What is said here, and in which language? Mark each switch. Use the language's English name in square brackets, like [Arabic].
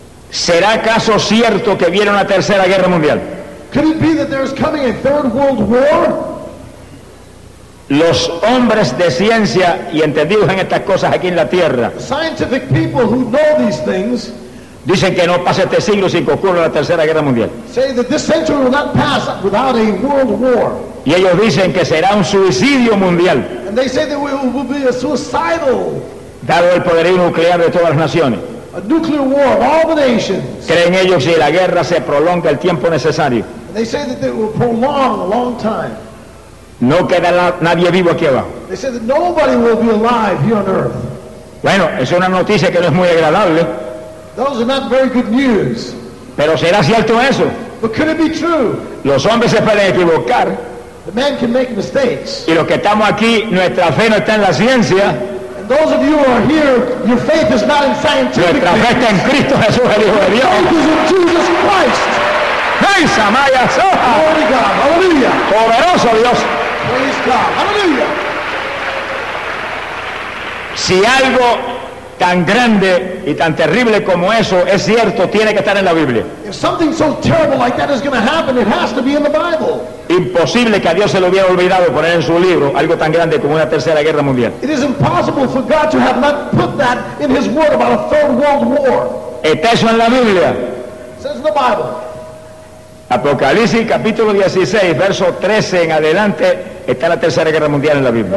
[Spanish] ¿será acaso cierto que viene una tercera guerra mundial? [English] Could it be that there's coming a third world war? [Spanish] Los hombres de ciencia y entendidos en estas cosas aquí en la tierra, [English] scientific people who know these things, [Spanish] dicen que no pasa este siglo sin que ocurra la tercera guerra mundial. [English] Say that this century will not pass without a world war. [Spanish] Y ellos dicen que será un suicidio mundial. [English] And they say that it will be a suicidal. [Spanish] Dado el poderío nuclear de todas las naciones. [English] A nuclear war of all the nations. [Spanish] Creen ellos que si la guerra se prolonga el tiempo necesario. [English] And they say that it will prolong a long time. [Spanish] No quedará nadie vivo aquí abajo. [English] They say that nobody will be alive here on earth. [Spanish] Bueno, es una noticia que no es muy agradable. [English] Those are not very good news. [Spanish] Pero será cierto eso. [English] But could it be true? [Spanish] Los hombres se pueden equivocar. [English] The man can make mistakes. [Spanish] Y los que estamos aquí, nuestra fe no está en la ciencia. [English] And those of you who are here, your faith is not in scientific. [Spanish] Nuestra fe está en Cristo Jesús, el Hijo de Dios. [English] Your faith is in Jesus Christ. Hey, Samaya, so. Glory to God. Hallelujah. [Spanish] Poderoso Dios. [English] Praise God. Hallelujah. [Spanish] Si algo tan grande y tan terrible como eso es cierto, tiene que estar en la Biblia. [English] If something so terrible like that is going to happen, it has to be in the Bible. [Spanish] Imposible que a Dios se lo hubiera olvidado poner en su libro algo tan grande como una tercera guerra mundial. [English] It is impossible for God to have not put that in his word about a third world war. [Spanish] Está eso en la Biblia. [English] It says in the Bible. [Spanish] Apocalipsis capítulo 16 verso 13 en adelante está la tercera guerra mundial en la Biblia.